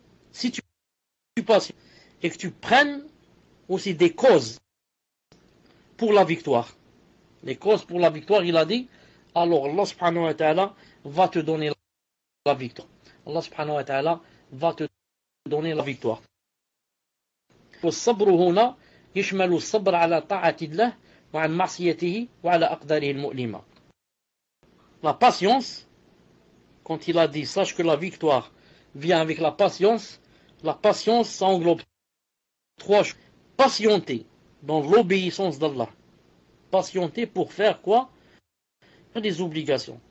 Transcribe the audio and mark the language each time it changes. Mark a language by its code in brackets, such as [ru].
[fr] Si tu patientes et que tu prennes aussi des causes pour la victoire, les causes pour la victoire, il a dit, alors Allah subhanahu wa ta'ala va te donner la victoire. Allah subhanahu wa ta'ala va te donner la victoire. Le [ar] sabr huna يشمل الصبر على طاعة الله وعن معصيته وعلى أقداره المؤلمة. [fr] La patience, quand il a dit sache que la victoire vient avec la patience englobe 3 choses. Patienter dans l'obéissance d'Allah. Patienter pour faire quoi? Faire des obligations.